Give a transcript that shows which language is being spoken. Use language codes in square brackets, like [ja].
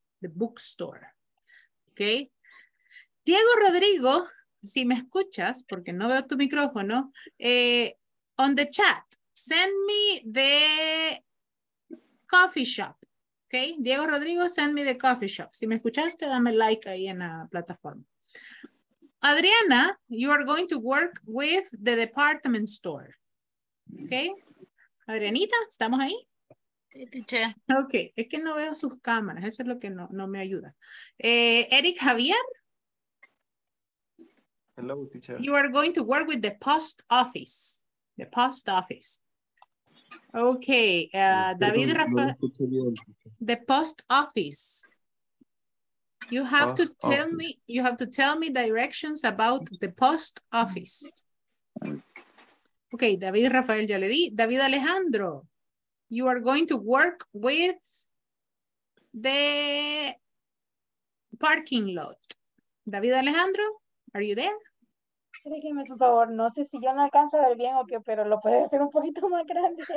[en] The bookstore. Okay. Diego Rodrigo, [es] si me escuchas, porque no veo tu micrófono, [en] on the chat, send me the coffee shop. Okay, Diego Rodrigo, send me the coffee shop. [es] Si me escuchaste, dame like ahí en la plataforma. [en] Adriana, you are going to work with the department store. [es] Okay, Adrianita, ¿estamos ahí? Okay, es que no veo sus cámaras, eso es lo que no me ayuda. Eric Javier. [en] Hello, teacher. You are going to work with the post office. The post office. Okay, David Rafael, the post office. You have post to tell office. Me, you have to tell me directions about the post office. Okay, David Rafael, [es] ya le di. [en] David Alejandro, you are going to work with the parking lot. David Alejandro, are you there? [es] Déjeme, por favor, no sé si yo no alcanzo a ver bien o qué, pero lo puede hacer un poquito más grande.